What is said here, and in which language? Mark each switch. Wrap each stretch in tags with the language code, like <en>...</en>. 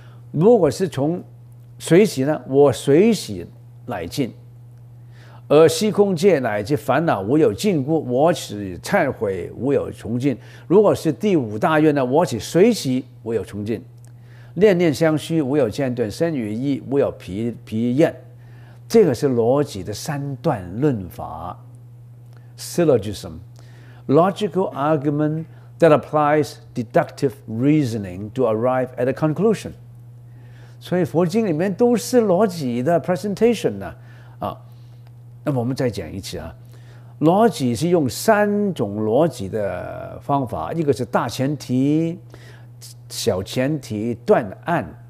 <zh>如果是从随喜呢，我随喜乃尽，而虚空界乃至烦恼无有尽故，我此忏悔无有穷尽。如果是第五大愿呢，我此随喜无有穷尽，念念相续无有间断，身与意无有疲厌。这个是逻辑的三段论法 syllogism。</zh> <en>Logical argument that applies deductive reasoning to arrive at a conclusion.</en> <zh>所以佛经里面都是逻辑的 presentation 呢、啊。那么我们再讲一次啊，逻辑是用三种逻辑的方法，一个是大前提、小前提、断案。</zh>